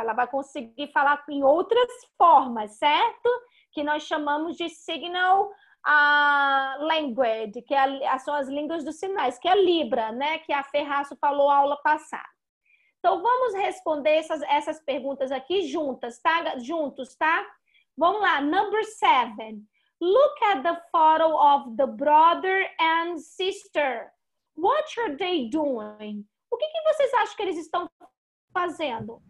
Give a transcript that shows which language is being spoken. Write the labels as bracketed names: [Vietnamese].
[Portuguese] Ela vai conseguir falar em outras formas, certo? Que nós chamamos de signal language, que são as línguas dos sinais, que é a Libra, né? Que a Ferraço falou aula passada. Então, vamos responder essas perguntas aqui juntas, tá? Juntos, tá? Vamos lá. [English] Number 7. Look at the photo of the brother and sister. What are they doing? [Portuguese] O que vocês acham que eles estão fazendo?